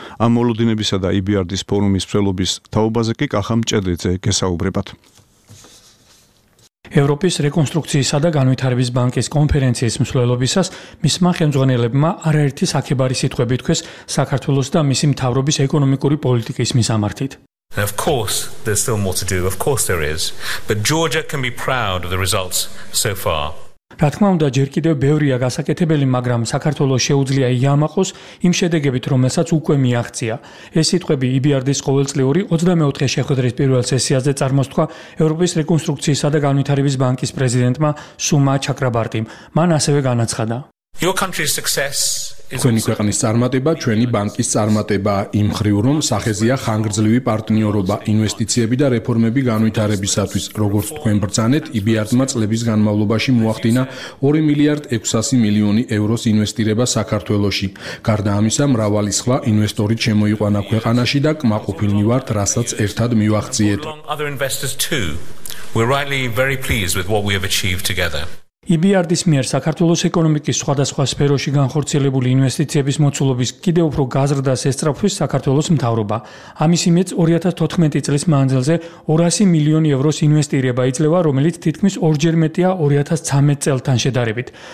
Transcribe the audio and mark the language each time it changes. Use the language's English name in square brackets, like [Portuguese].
[Georgian] ამ მოლოდინებისა და EBRD-ის ფორუმის მსვლელობის თაობაზე კი კახა მჭედლიძე გესაუბრებათ. ევროპის რეკონსტრუქციისა და განვითარების ბანკის კონფერენციის მსვლელობისას მისმა ხელმძღვანელებმა არაერთი საქებარი სიტყვები თქვეს საქართველოს და მისი მთავრობის ეკონომიკური პოლიტიკის მისამართით. [English] And of course there's still more to do, of course there is, but Georgia can be proud of the results so far. [Georgian] რა თქმა უნდა, ჯერ კიდევ ბევრია გასაკეთებელი, მაგრამ საქართველოს შეუძლია იამაყოს იმ შედეგებით, რომელსაც უკვე მიაღწია. ეს სიტყვები EBRD-ის ყოველწლიური 24 შეხვედრის პირველ სესიაზე წარმოსთქვა ევროპის რეკონსტრუქციისა და განვითარების ბანკის პრეზიდენტმა სუმა ჩაკრაბარტიმ. მან ასევე განაცხადა: [English] Your country's success [Georgian] ქვენი ქვეყნის წარმატება, ჩვენი ბანკის წარმატება იმ ხრივ, რომ სახეზია ხანგრძლივი პარტნიორობა, ინვესტიციები და რეფორმები განვითარებისათვის. როგორც თქვენ ბრძანეთ, EBRD-მა წლების განმავლობაში მოახდინა 2 მილიარდ 600 მილიონი ევროს ინვესტირება საქართველოში. გარდა ამისა, მრავალი სხვა ინვესტორი შემოიყვანა ქვეყანაში და კმაყოფილნი ვართ, რასაც ერთად მივახციეთ. [English] We're rightly very pleased with what we have achieved together. [Georgian] EBRD-ის მიერ საქართველოს ეკონომიკის სხვადასხვა სფეროში განხორციელებული ინვესტიციების მოცულობის კიდევ უფრო გაზრდას ესწრაფვის საქართველოს მთავრობა. ამის იმედს 2014 წლის მანძილზე 200 მილიონი ევროს ინვესტირება იძლევა, რომელიც თითქმის ორჯერ მეტია 2013 წელთან შედარებით.